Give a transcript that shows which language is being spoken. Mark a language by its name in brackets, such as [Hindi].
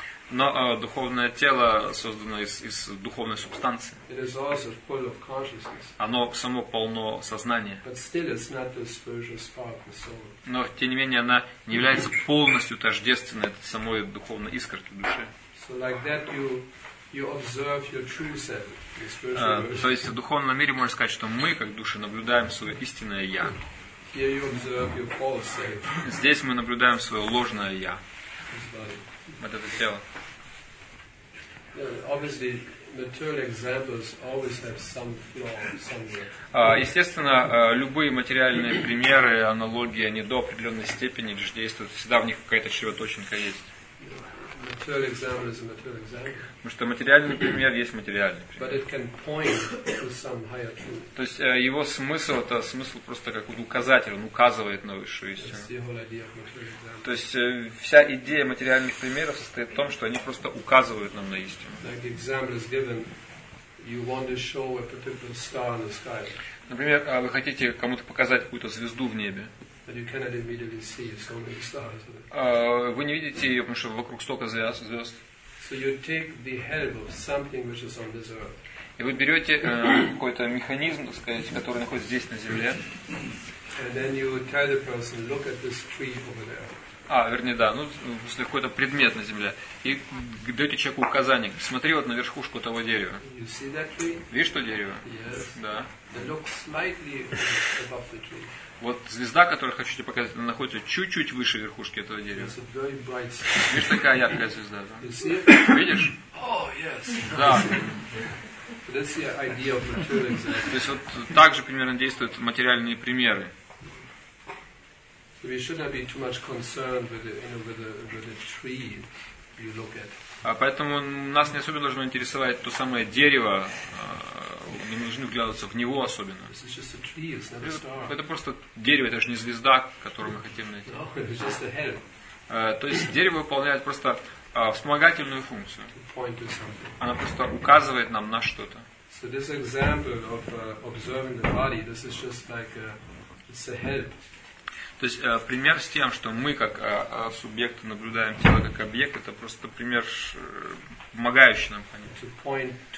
[Russian] Но духовное тело создано из духовной субстанции. [English] It is also full of consciousness. [Russian] Оно само полно сознания. [English] But still it's not the spiritual spark, the soul. [Russian] Но тем не менее она не является полностью тождественной самой духовной искорки души. [English] So like that you observe your true self, the spiritual version. [Russian] То есть в духовном мире можно сказать, что мы, как души, наблюдаем свое истинное Я. [English] Here you observe your false self. [Russian] Здесь мы наблюдаем свое ложное Я. Вот это тело. [English] Obviously, material examples always have some flaw somewhere. [Russian] Естественно, любые материальные примеры, аналогии, они до определенной степени лишь действуют. Всегда в них какая-то червоточинка есть. Потому что материальный пример есть материальный пример. [English] But it can point to some higher truth. [Russian] То есть его смысл, это смысл просто как указатель, он указывает на высшую истину. То есть вся идея материальных примеров состоит в том, что они просто указывают нам на истину. [English] You want to show a particular star in the sky. [Russian] Например, вы хотите кому-то показать какую-то звезду в небе. [English] But you cannot immediately see it, so many stars. [Russian] Вы не видите ее, потому что вокруг столько звезд. [English] So you take the head of something which is on this earth. [Russian] И вы берете какой-то механизм, так сказать, который находится здесь на Земле. [English] And then you tell the person, look at this tree over there. [Russian] Если какой-то предмет на земле. И даете человеку указание. Смотри вот на верхушку того дерева. Видишь то дерево? [English] Yes. [Russian] Да. [English] Look slightly above the tree. [Russian] Вот звезда, которую хочу тебе показать, она находится чуть-чуть выше верхушки этого дерева. [English] It's a very bright star. [Russian] Видишь, такая яркая звезда. Да? [English] You see it? [Russian] Видишь? [English] Oh, yes. [Russian] Да. [English] That's the idea of material example. [Russian] То есть вот так же примерно действуют материальные примеры. [English] We should not be too much concerned with the, you know, with the tree you look at. [Russian] А поэтому нас не особенно должно интересовать то самое дерево, мы должны вглядываться в него особенно. [English] This is just a tree, it's not a star. [Russian] Это просто дерево, это же не звезда, которую мы хотим найти. [English] No, it's just a help. [Russian] То есть дерево выполняет просто вспомогательную функцию. [English] To point to something. [Russian] Она просто указывает нам на что-то. [English] So this example of observing the body, this is just like it's a help. [Russian] То есть пример с тем, что мы как субъекты наблюдаем тело как объект, это просто пример, помогающий нам понять.